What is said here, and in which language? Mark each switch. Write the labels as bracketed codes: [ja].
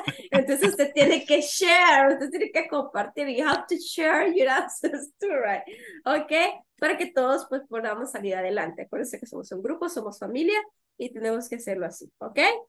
[es] Entonces, usted tiene que share, usted tiene que compartir. [en] You have to share your answers too, right? [es] ¿Ok? Para que todos, pues, podamos salir adelante. Acuérdense que somos un grupo, somos familia y tenemos que hacerlo así, ¿ok?